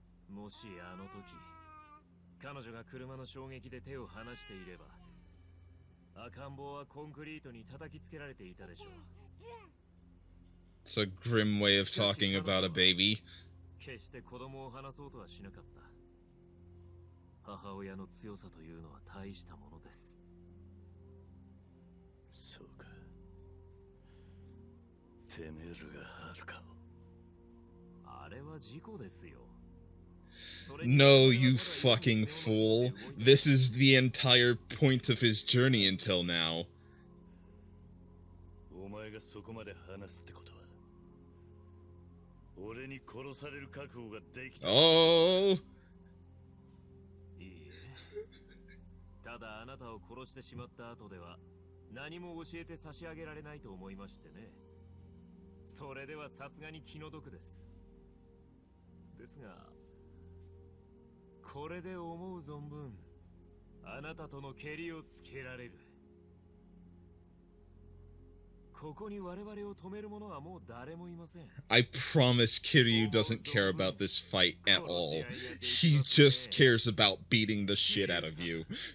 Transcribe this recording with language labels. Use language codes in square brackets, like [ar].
[ja] もしあの時、彼女が車の衝撃で手を離していれば、赤ん坊はコンクリートに叩きつけられていたでしょう。 [en] It's a grim way of talking about a baby. [ja] 決して子供を離そうとはしなかった。母親の強さというのは大したものです。そうか、てめえらがハルカを。あれは事故ですよ。 [en] No, you fucking fool. This is the entire point of his journey until now. [ja] お前がそこまで話すってこと、俺に殺される覚悟ができた。 [en] Oh! [ja] いいえ。ただあなたを殺してしまった後では何も教えて差し上げられないと思いましてね。それではさすがに気の毒です。ですが、これで思う存分あなたとのケリをつけられる。ここに我々を止める者はもう誰もいません。 [en] I promise Kiryu doesn't care about this fight at all. He just cares about beating the shit out of you.